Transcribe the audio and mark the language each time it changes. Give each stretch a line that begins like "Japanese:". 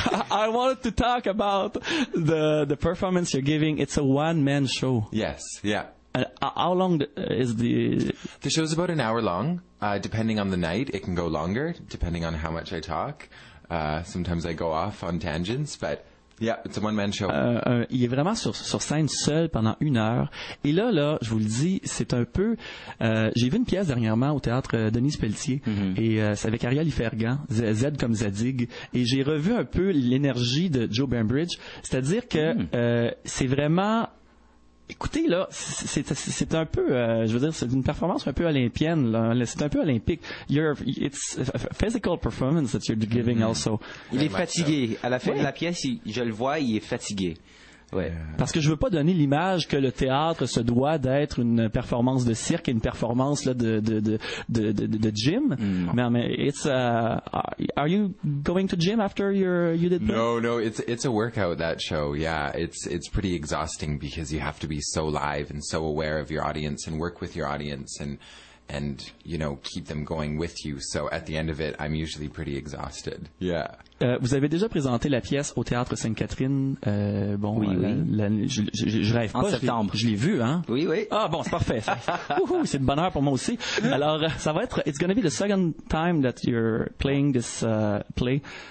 English: I wanted to talk about the performance you're giving. It's a one-man show. Yes, yeah. How long is the... The show's about an hour long. Depending on the night, it can go longer, depending on how much I talk. Sometimes I go off on tangents, but... Yeah, it's a one-man show.
French: Il est vraiment sur scène seul pendant une heure. Et là, je vous le dis, c'est un peu... j'ai vu une pièce dernièrement au théâtre Denise Pelletier. Mm-hmm. Et c'est avec Ariel Ifergan, Z comme Zadig. Et j'ai revu un peu l'énergie de Joe Bainbridge. C'est-à-dire que c'est vraiment... Écoutez, là, c'est un peu... je veux dire, c'est une performance un peu olympienne. Là. C'est un peu olympique.
English: It's a physical performance that you're giving also.
French: Il est fatigué. À la fin de la pièce, je le vois, il est fatigué. Ouais. Parce que je veux pas donner l'image que le théâtre se doit d'être une performance de cirque et une performance là, de gym. Mm.
English: Mais are you going to gym after you did that? No, it's a workout, that show. Yeah, it's pretty exhausting because you have to be so live and so aware of your audience and work with your audience and you know keep them going with you. So at the end of it, I'm usually pretty exhausted. Yeah.
French: Vous avez déjà présenté la pièce au Théâtre Sainte-Catherine. Je rêve en pas. En septembre. Je l'ai vu, hein? Oui, oui. Ah, bon, c'est parfait. Ouhou, c'est une bonne heure pour moi aussi. Alors, ça va être...
English: It's going to be the second time that you're playing this play.